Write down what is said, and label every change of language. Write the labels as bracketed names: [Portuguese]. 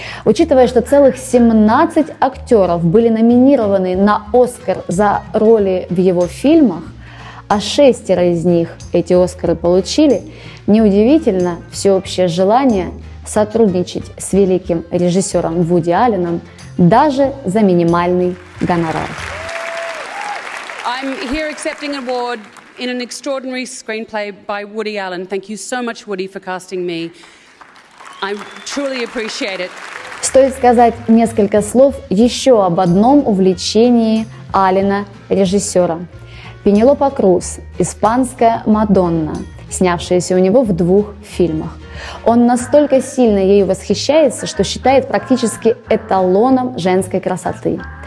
[Russian] Учитывая, что целых 17 актеров были номинированы на «Оскар» за роли в его фильмах, а шестеро из них эти «Оскары» получили, неудивительно всеобщее желание сотрудничать с великим режиссером Вуди Алленом даже за минимальный гонорар. [English] I'm here accepting an award in an extraordinary screenplay by Woody Allen. Thank you so much, Woody, for casting me. I truly appreciate it. [Russian] Стоит сказать несколько слов еще об одном увлечении Аллена режиссера. Пенелопа Круз, испанская Мадонна, снявшаяся у него в двух фильмах. Он настолько сильно ею восхищается, что считает практически эталоном женской красоты.